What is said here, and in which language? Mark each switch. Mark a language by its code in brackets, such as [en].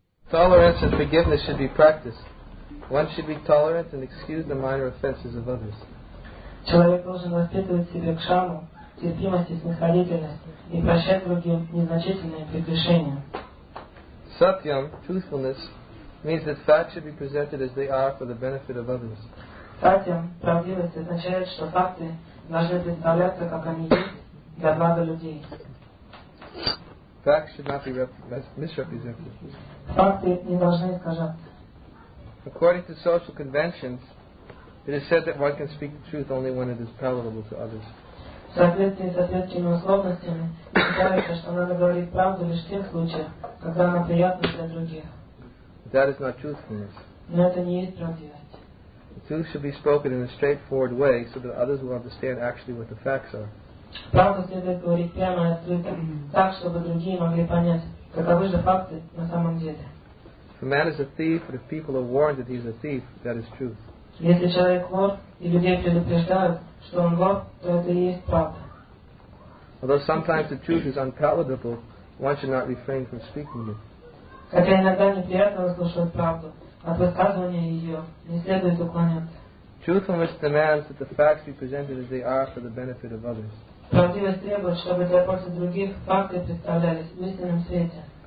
[en] Tolerance and forgiveness should be practiced. One should be tolerant and excuse the minor offenses of others. [ru] Человек должен воспитывать себе кшаму, терпимость и снисходительность, и прощать другим незначительные прегрешения. [en] Satyam, truthfulness, means that facts should be presented as they are for the benefit of others. [ru] Satyam, правдивость, означает, что факты должны представляться, как они есть, для блага людей. [en] Facts should not be misrepresented. [ru] Факты не должны искажаться. [en] According to social conventions, it is said that one can speak the truth only when it is palatable to others. [ru] В соответствии с ответственными условностями, считается, что надо говорить правду лишь в тех случаях, когда она приятна для других. [en] That is not truthfulness. [ru] Но это не есть правдивость. [en] The truth should be spoken in a straightforward way, so that others will understand actually what the facts are. [ru] Правду следует говорить прямо и открыто, так, чтобы другие могли понять, каковы же факты на самом деле. [en] If a man is a thief, and if people are warned that he is a thief, that is truth. [ru] Если человек вор, и людей предупреждают, что он вор, то это и есть правда. [en] Although sometimes the truth is unpalatable, one should not refrain from speaking it. [ru] Хотя иногда неприятно выслушивать правду, от высказывания ее не следует уклоняться. [en] Truthfulness demands that the facts be presented as they are for the benefit of others. [ru] Правдивость требует, чтобы для пользы других факты представлялись в истинном свете.